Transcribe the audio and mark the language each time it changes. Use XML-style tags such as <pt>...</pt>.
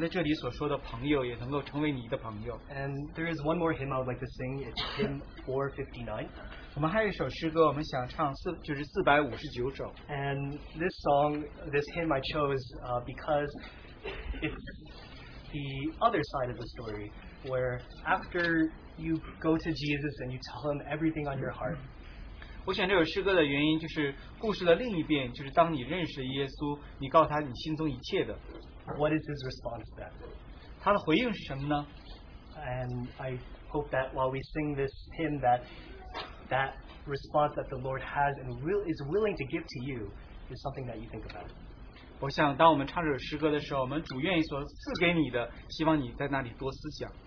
<zh>我真的希望我们在这里所说的朋友也能够成为你的朋友。</zh> <en>And there is one more hymn I would like to sing. It's hymn 459.</en> <zh>我们还有一首诗歌我们想唱，就是459首。</zh> <en>And this song, this hymn I chose because it's the other side of the story, where after you go to Jesus and you tell him everything on your heart.</en> <zh>我选这首诗歌的原因就是故事的另一边，就是当你认识耶稣，你告诉他你心中一切的。</zh> <en>What is his response to that?</en> <zh>他的回应是什么呢?</zh> <en>And I hope that while we sing this hymn, that that response that the Lord has and will, is willing to give to you is something that you think about.</en> <zh>我想当我们唱这首诗歌的时候，我们主愿意所赐给你的，希望你在那里多思想。</zh>